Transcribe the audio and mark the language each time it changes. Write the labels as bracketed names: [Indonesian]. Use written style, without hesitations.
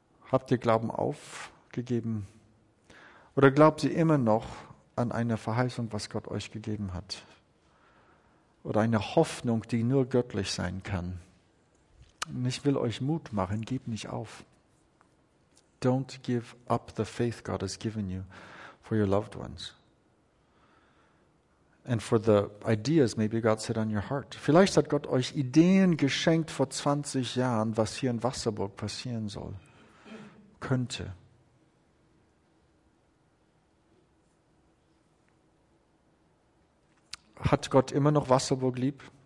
[German] Habt ihr Glauben aufgegeben? Oder glaubt ihr immer noch an eine Verheißung, was Gott euch gegeben hat? Oder eine Hoffnung, die nur göttlich sein kann? Und ich will euch Mut machen, gebt nicht auf. [English] Don't give up the faith God has given you for your loved ones. And for the ideas maybe God set on your heart. [German] Vielleicht hat Gott euch Ideen geschenkt vor 20 Jahren, was hier in Wasserburg passieren soll, könnte. Hat Gott immer noch Wasserburg lieb?